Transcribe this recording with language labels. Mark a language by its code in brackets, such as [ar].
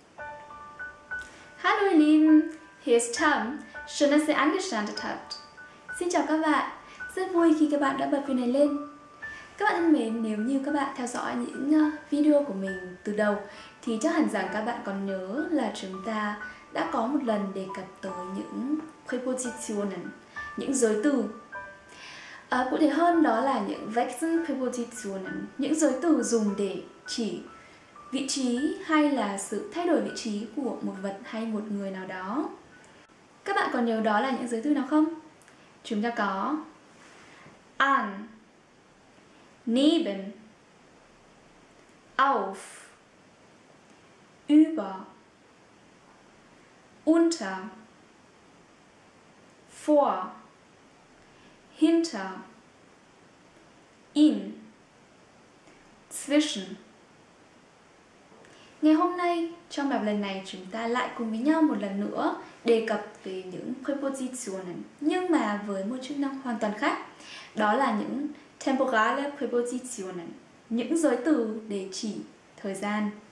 [de] Hallo ihr Lieben, hier ist Tom. Schön, dass ihr angestanden habt. [vi] Xin chào các bạn, rất vui khi các bạn đã bật video này lên. Các bạn thân mến, nếu như các bạn theo dõi những video của mình từ đầu thì chắc hẳn rằng các bạn còn nhớ là chúng ta đã có một lần đề cập tới những prepositionen, những giới từ. Cụ thể hơn đó là những Wechselprepositionen, những giới từ dùng để chỉ vị trí hay là sự thay đổi vị trí của một vật hay một người nào đó. Các bạn còn nhớ đó là những giới từ nào không? Chúng ta có an, neben, auf, über, unter, vor, hinter, in, zwischen. Ngày hôm nay, trong bài lần này, chúng ta lại cùng với nhau một lần nữa đề cập về những prepositionen, nhưng mà với một chức năng hoàn toàn khác. Đó là những temporale prepositionen, những giới từ để chỉ thời gian.